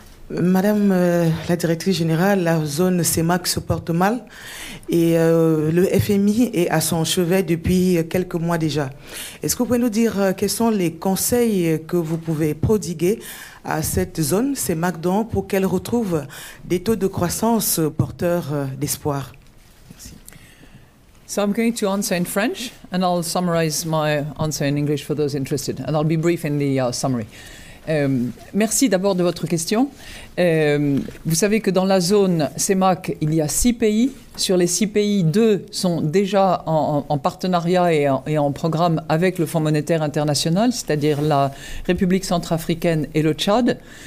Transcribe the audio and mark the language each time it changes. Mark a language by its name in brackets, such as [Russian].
[French] Madame la directrice générale, la zone CEMAC se porte mal et le FMI est à son chevet depuis quelques mois déjà. Est-ce que vous pouvez nous dire quels sont les conseils que vous pouvez prodiguer à cette zone CEMAC donc, pour qu'elle retrouve des taux de croissance porteurs d'espoir? [English] So I'm going to answer in French, and I'll summarize my answer in English for those interested, and I'll be brief in the summary. [French] Merci d'abord de votre question. Vous savez que dans la zone CEMAC, il y a 6 pays. Sur les 6 pays, 2 sont déjà en partenariat et en programme avec le Fonds monétaire international, c'est-à-dire la République centrafricaine et le Tchad.